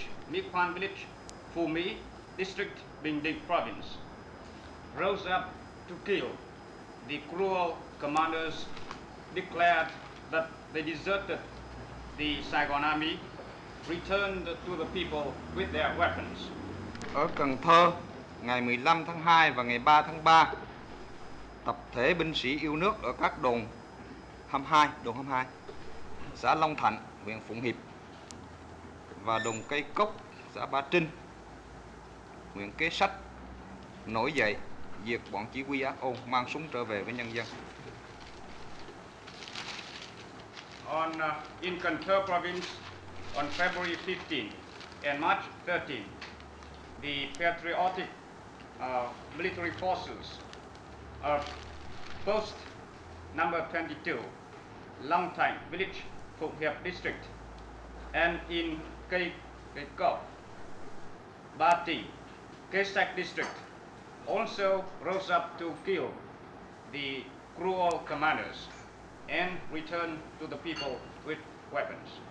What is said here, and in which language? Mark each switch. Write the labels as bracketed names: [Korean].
[English] Mỹ Quan village, Phú Mỹ district, Bình Định province, rose up to kill the cruel commanders, declared that they deserted the Saigon army, returned to the people with their weapons. [Vietnamese] Ở Cần Thơ, ngày 15 tháng 2 và ngày 3 tháng 3, tập thể binh sĩ yêu nước ở các đồn 22, đồn 22, xã Long Thạnh, huyện Phụng Hiệp và đồn Cây Cốc, xã Ba Trinh, huyện Kế Sách nổi dậy diệt bọn chỉ huy ác ôn, mang súng trở về với nhân dân. [English] On in Cần Thơ province, on February 15 and March 13, the patriotic military forces of post number 22, Long Thạnh village, Phụng Hiệp district, and in Cây Cốc, Ba Trinh, Kế Sách district, also rose up to kill the cruel commanders and return to the people with weapons.